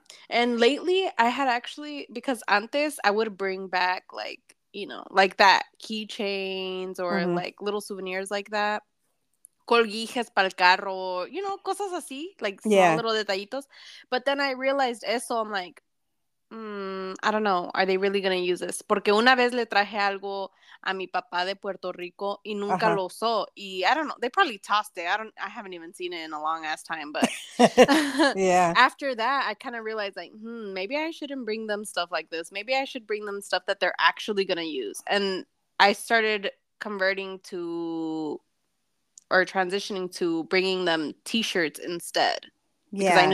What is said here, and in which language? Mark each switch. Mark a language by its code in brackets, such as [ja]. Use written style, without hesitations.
[en] And lately I had actually, because [es] antes [en] I would bring back like, you know, like that keychains or like little souvenirs like that. [es] Colguijes para el carro, [en] you know, [es] cosas así, [en] like small Yeah. little [es] detallitos. [en] But then I realized [es] eso, [en] I'm like, I don't know, are they really gonna use this? [es] Porque una vez le traje algo a mi papá de Puerto Rico y nunca lo usó. Y [en] I don't know, they probably tossed it. I haven't even seen it in a long ass time, but Yeah. after that, I kind of realized like, maybe I shouldn't bring them stuff like this. Maybe I should bring them stuff that they're actually gonna use. And I started converting to, or transitioning to bringing them t-shirts instead because I knew